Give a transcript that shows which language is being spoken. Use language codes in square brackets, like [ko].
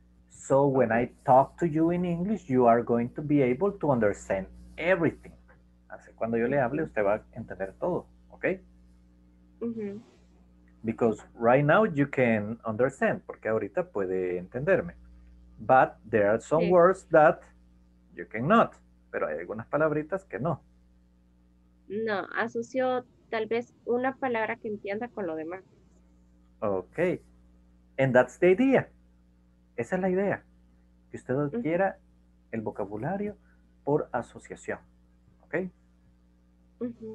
[en] So when I talk to you in English, you are going to be able to understand everything. [es] Así cuando yo le hable, usted va a entender todo, ¿okay? [en] Because right now you can understand, [es] porque ahorita puede entenderme. [en] But there are some words that you cannot. [es] Pero hay algunas palabritas que no. No, asocio tal vez una palabra que entienda con lo demás. [en] Okay. And that's the idea. [es] Esa es la idea, que usted adquiera el vocabulario por asociación, ¿ok?